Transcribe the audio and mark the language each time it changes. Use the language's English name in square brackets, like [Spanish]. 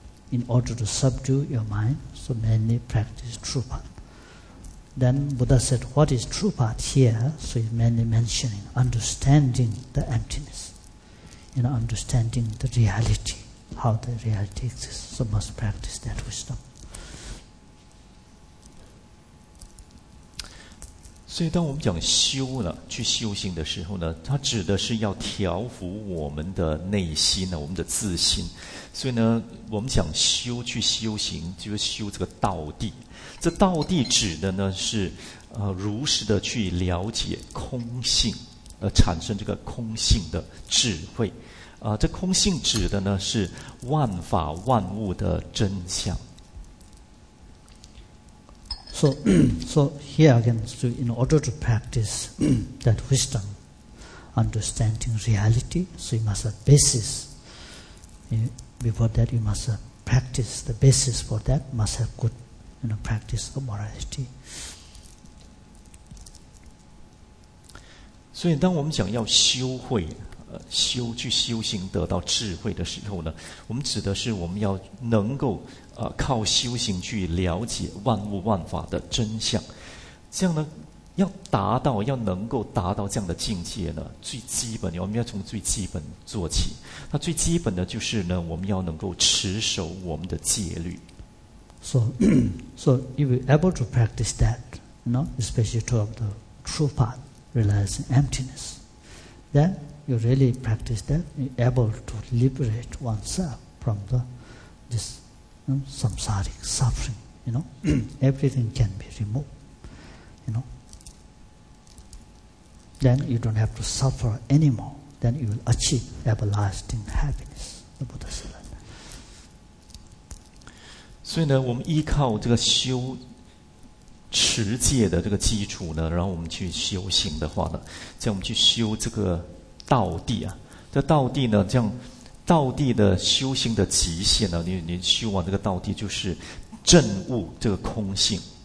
[English] In order to subdue your mind, so mainly practice true path. Then Buddha said, what is true path here? So he mainly mentioning understanding the emptiness, you know, understanding the reality, how the reality exists, so must practice that wisdom. [Chinese] 所以当我们讲修呢，去修行的时候呢，它指的是要调伏我们的内心呢，我们的自心。所以呢，我们讲修去修行，就是修这个道地。这道地指的呢是如实的去了解空性，而产生这个空性的智慧。这空性指的呢是万法万物的真相。 [English] So here again, so in order to practice that wisdom, understanding reality, so you must have basis. Before that, you must have practice. The basis for that must have good, you know, practice of morality. [Chinese] 所以，当我们讲要修慧，修去修行得到智慧的时候呢，我们指的是我们要能够。靠修行去了解万物万法的真相，这样呢，要能够达到这样的境界呢，最基本我们要从最基本做起。那最基本的就是呢，我们要能够持守我们的戒律。 [English] So if you're able to practice that, you know, especially to the true path, realizing emptiness, then you really practice that, you're able to liberate oneself from this. Samsaric suffering, you know, everything can be removed, you know. Then you don't have to suffer anymore, then you will achieve everlasting happiness, the Buddha said. [Chinese] 所以呢，我们依靠这个修持戒的这个基础呢，然后我们去修行的话呢，这样我们去修这个道地啊，这道地呢，这样。道地的修行的极限呢？你修完这个道地，就是证悟这个空性。